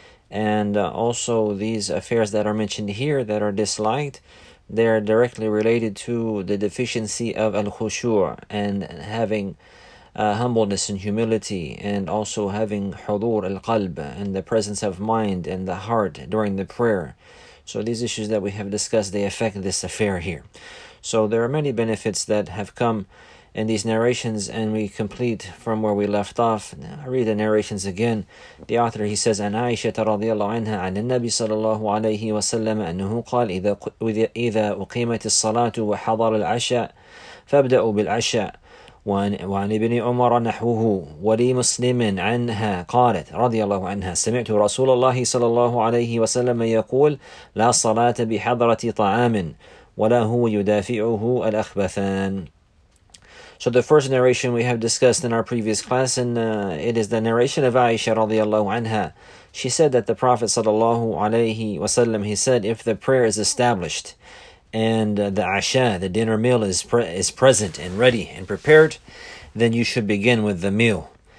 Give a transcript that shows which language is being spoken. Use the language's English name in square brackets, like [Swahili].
[English] And also these affairs that are mentioned here that are disliked, they are directly related to the deficiency of al-khushu' and having humbleness and humility, and also having hudur al-qalb and the presence of mind and the heart during the prayer. So these issues that we have discussed, they affect this affair here. So there are many benefits that have come in these narrations, and we complete from where we left off. I read the narrations again. The author, he says, [Arabic] عن عائشة رضي الله عنها عن النبي صلى الله عليه وسلم أنه قال إذا أقيمت الصلاة وحضر العشاء فابدأوا بالعشاء وعن ابن عمر نحوه ولي مسلم عنها قالت رضي الله عنها سمعت رسول الله صلى الله عليه وسلم يقول لا صلاة بحضرة طعام ولا هو يدافعه الأخبثان. [English] So the first narration we have discussed in our previous class, and it is the narration of Aisha [Arabic] رضي الله عنها. [English] She said that the Prophet [Arabic] صلى الله عليه وسلم, [English] he said, if the prayer is established and the Asha, the dinner meal, is present and ready and prepared, then you should begin with the meal.